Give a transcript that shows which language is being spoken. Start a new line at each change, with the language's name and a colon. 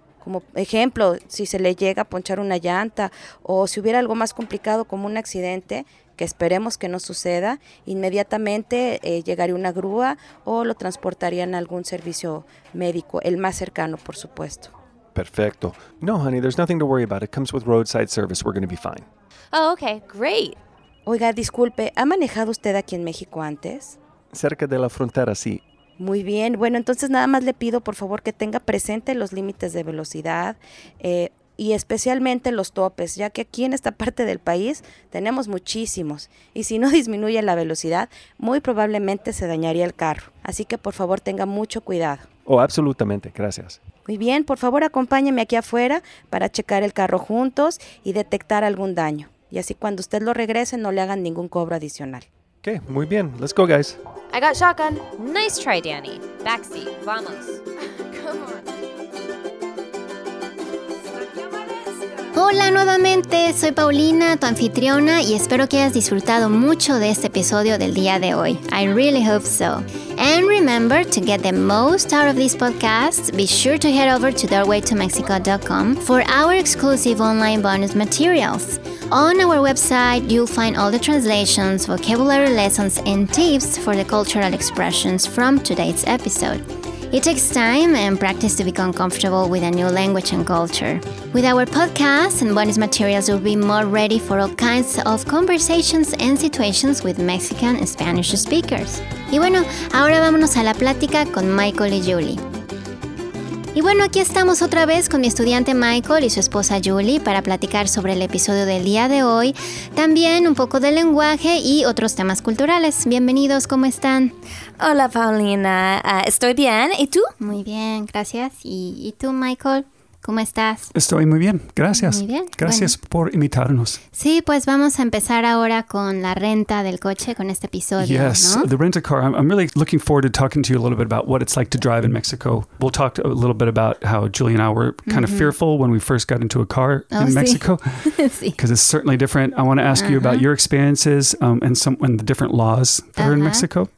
Spanish: Como ejemplo, si se le llega a ponchar una llanta o si hubiera algo más complicado como un accidente, que esperemos que no suceda, inmediatamente llegaría una grúa o lo transportarían a algún servicio médico, el más cercano, por supuesto. Perfecto.
English: No, honey, there's nothing to worry about. It comes with roadside service. We're going to be fine. Oh, okay. Great.
Spanish: Oiga, disculpe, ¿ha manejado usted aquí en México antes? Cerca de la frontera, sí. Muy bien. Bueno, entonces nada más le pido, por favor, que tenga presente los límites de velocidad y especialmente los topes, ya que aquí en esta parte del país tenemos muchísimos. Y si no disminuye la velocidad, muy probablemente se dañaría el carro. Así que, por favor, tenga mucho cuidado. Oh, absolutamente. Gracias. Muy bien. Por favor, acompáñeme aquí afuera para checar el carro juntos y detectar algún daño. Y así cuando usted lo regrese, no le hagan ningún cobro adicional.
English: Okay,
Spanish: muy bien.
English: Let's go, guys. I got shotgun. Nice try, Danny. Backseat. Vamos. Come on.
Spanish: Hola nuevamente, soy Paulina, tu anfitriona, y espero que hayas disfrutado mucho de este episodio del día de hoy.
English: I really hope so. And remember, to get the most out of this podcast, be sure to head over to doorwaytomexico.com for our exclusive online bonus materials. On our website, you'll find all the translations, vocabulary lessons, and tips for the cultural expressions from today's episode. It takes time and practice to become comfortable with a new language and culture. With our podcast and bonus materials, you'll be more ready for all kinds of conversations and situations with Mexican and Spanish speakers.
Spanish: Y bueno, ahora vámonos a la plática con Michael y Julie. Y bueno, aquí estamos otra vez con mi estudiante Michael y su esposa Julie para platicar sobre el episodio del día de hoy, también un poco del lenguaje y otros temas culturales. Bienvenidos, ¿cómo están? Hola, Paulina. Estoy bien. ¿Y tú? Muy bien, gracias. ¿Y tú, Michael? ¿Cómo estás? Estoy muy bien, gracias. Muy bien. Gracias, bueno, por invitarnos. Sí, pues vamos a empezar ahora con la renta del coche, con este episodio,
English: yes,
Spanish: ¿no?
English: The rent a car. I'm really looking forward to talking to you a little bit about what it's like to drive in Mexico. We'll talk a little bit about how Julie and I were kind of fearful when we first got into a car in Mexico.
Spanish: Sí.
English: Because it's certainly different. I want to ask you about your experiences and the different laws that are in Mexico.